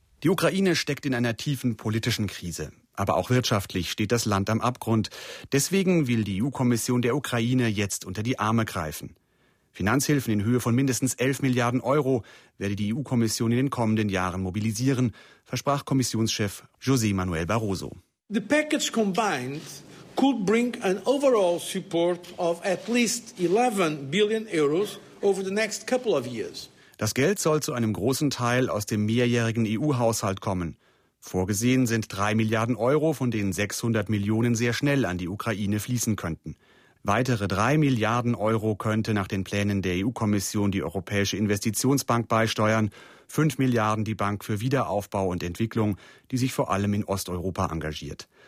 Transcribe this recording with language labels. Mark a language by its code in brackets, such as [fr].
[de] Die Ukraine steckt in einer tiefen politischen Krise. Aber auch wirtschaftlich steht das Land am Abgrund. Deswegen will die EU-Kommission der Ukraine jetzt unter die Arme greifen. Finanzhilfen in Höhe von mindestens 11 Milliarden Euro werde die EU-Kommission in den kommenden Jahren mobilisieren, versprach Kommissionschef José Manuel Barroso. [en] The package combined could bring an overall support of at least 11 billion euros over the next couple of years. [de] Das Geld soll zu einem großen Teil aus dem mehrjährigen EU-Haushalt kommen. Vorgesehen sind 3 Milliarden Euro, von denen 600 Millionen sehr schnell an die Ukraine fließen könnten. Weitere 3 Milliarden Euro könnte nach den Plänen der EU-Kommission die Europäische Investitionsbank beisteuern, 5 Milliarden die Bank für Wiederaufbau und Entwicklung, die sich vor allem in Osteuropa engagiert.